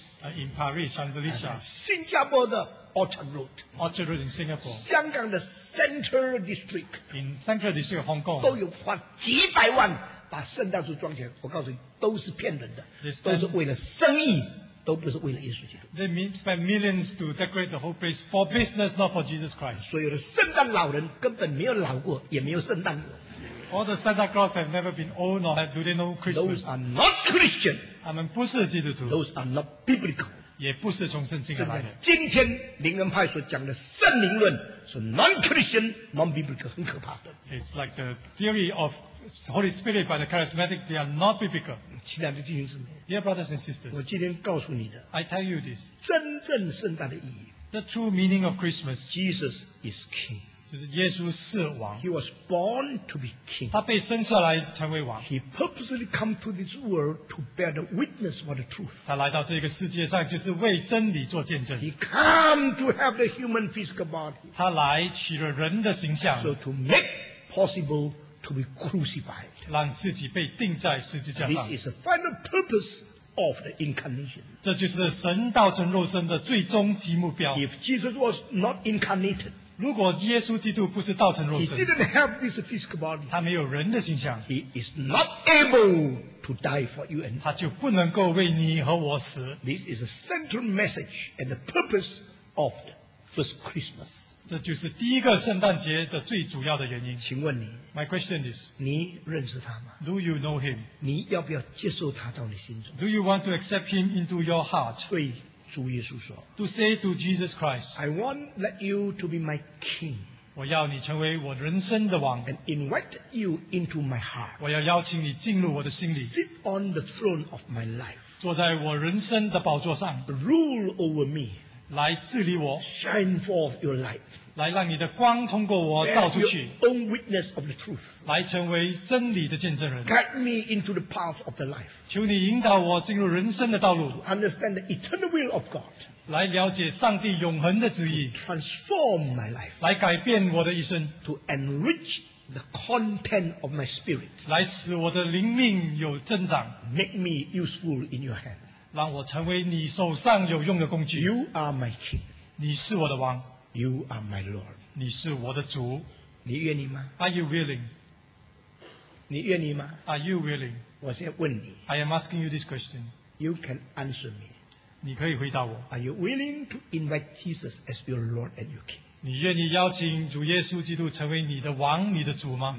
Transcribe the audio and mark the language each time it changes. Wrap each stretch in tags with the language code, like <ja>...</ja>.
<en>In Paris, Saint Lucia.</en> <zh>新加坡的Orchard Road,</zh> <en>Orchard Road in Singapore,</en> <zh>香港的 Central District,</zh> <en>in Central District of Hong Kong,</en> <zh>都有花几百万把圣诞树装起来，我告诉你，都是骗人的，</zh> <en>spend,</en> <zh>都是为了生意，都不是为了耶稣基督。</zh> <en>They spend millions to decorate the whole place for business, not for Jesus Christ.</en> <zh>所有的圣诞老人根本没有老过，也没有圣诞过。</zh> <en>All the Santa Claus have never been old, nor do they know Christmas. Those are not Christian.</en> <zh>他们不是基督徒。</zh> <en>Those are not biblical.</en> <zh>也不是从圣经来的。今天灵恩派所讲的圣灵论是</zh> <en>non-Christian, non-biblical,</en> <zh>很可怕的。</zh> <en>It's like the theory of Holy Spirit by the charismatic. They are not biblical.</en> <zh>亲爱的弟兄姊妹</zh> <en>，Dear brothers and sisters,</en> <zh>我今天告诉你的</zh> <en>，I tell you this.</en> <zh>真正圣诞的意义</zh> <en>，The true meaning of Christmas. Jesus is King.</en> <zh>就是耶稣是王。</zh> <en>He was born to be king.</en> <zh>他被生下来成为王。</zh> <en>He purposely come to this world to bear the witness for the truth.</en> <zh>他来到这个世界上就是为真理做见证。</zh> <en>He came to have the human physical body.</en> <zh>他来取了人的形象。</zh> <en>So to make possible to be crucified.</en> <zh>让自己被钉在十字架上。</zh> <en>This is the final purpose of the incarnation.</en> <zh>这就是神道成肉身的最终极目标。</zh> <en>If Jesus was not incarnated.</en> <zh>如果耶稣基督不是道成肉身</zh> <en>He didn't have this physical body.</en> <zh>他没有人的形象</zh> <en>He is not able to die for you and</en> <zh>他就不能够为你和我死</zh> <en>This is a central message and the purpose of the first Christmas.</en> <zh>这就是第一个圣诞节的最主要的原因请问你</zh> <en>My question is</en> <zh>你认识他吗</zh> <en>Do you know him?</en> <zh>你要不要接受他到你心中</zh> <en>Do you want to accept him into your heart?</en> <zh>对主耶稣说</zh> <en>To say to Jesus Christ, I want let you to be my king.</en> <zh>我要你成为我人生的王</zh> <en>And invite you into my heart.</en> <zh>我要邀请你进入我的心里</zh> <en>Sit on the throne of my life.</en> <zh>坐在我人生的宝座上</zh> <en>Rule over me.</en> <zh>来治理我</zh> <en>Shine forth your light.</en> <zh>来让你的光通过我照出去</zh> <en>Bear your own witness of the truth.</en> <zh>来成为真理的见证人</zh> <en>Guide me into the path of the life.</en> <zh>求你引导我进入人生的道路</zh> <en>To understand the eternal will of God.</en> <zh>来了解上帝永恒的旨意</zh> <en>Transform my life.</en> <zh>来改变我的一生</zh> <en>To enrich the content of my spirit.</en> <zh>来使我的灵命有增长</zh> <en>Make me useful in your hand.</en> <zh>让我成为你手上有用的工具</zh> <en>You are my king.</en> <zh>你是我的王</zh> <en>You are my Lord.</en> <zh>你是我的主。你愿意吗</zh> <en>？Are you willing?</en> <zh>你愿意吗</zh> <en>？Are you willing?</en> <zh>我现在问你。</zh> <en>I am asking you this question. You can answer me.</en> <zh>你可以回答我。</zh> <en>Are you willing to invite Jesus as your Lord and your King?</en> <zh>你愿意邀请主耶稣基督成为你的王、你的主吗？</zh>